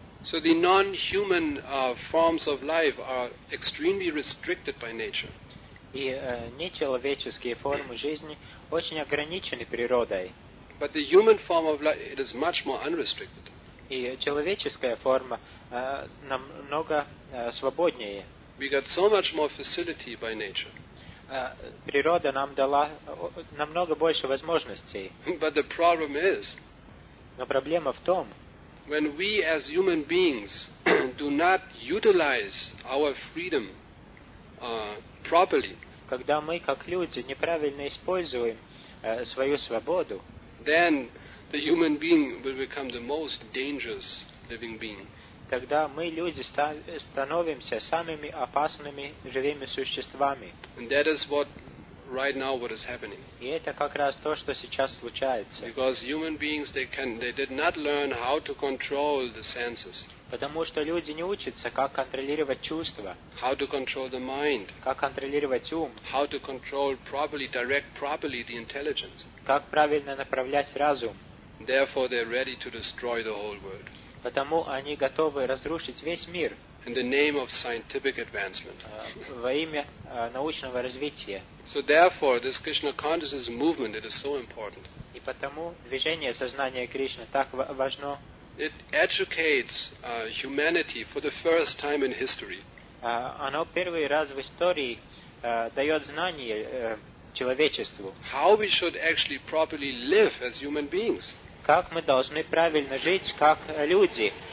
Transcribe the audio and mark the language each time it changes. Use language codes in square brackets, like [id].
[en] So the non-human forms of life are extremely restricted by nature. [ru] И нечеловеческие формы жизни очень ограничены природой. [en] But the human form of life, it is much more unrestricted. [ru] И человеческая форма намного свободнее. [en] We got so much more facility by nature. [ru] Природа нам дала намного больше возможностей. [en] But the problem is, [ru] но проблема в том, [en] when we as human beings do not utilize our freedom properly, [ru] когда мы как люди неправильно используем свою свободу, [en] then the human being will become the most dangerous living being. [ru] Тогда мы, люди, становимся самыми опасными живыми существами. [en] And that is what, right now, what is happening. [ru] И это как раз то, что сейчас случается. [en] Because human beings, they did not learn how to control the senses. [ru] Потому что люди не учатся, как контролировать чувства. [en] How to control the mind. [ru] Как контролировать ум. [en] How to control properly, direct properly the intelligence. [ru] Как правильно направлять разум. [en] Therefore, they are ready to destroy the whole world. [ru] Потому они готовы разрушить весь мир. [en] In the name of scientific advancement. [ru] Во имя научного развития. [en] So therefore, this Krishna consciousness movement, it is so important. [ru] И потому движение сознания Кришны так важно. [en] It educates humanity for the first time in history. [ru] Оно первый раз в истории дает знание человечеству. [en] How we should actually properly live as human beings. [ru] Как мы должны правильно жить, как люди.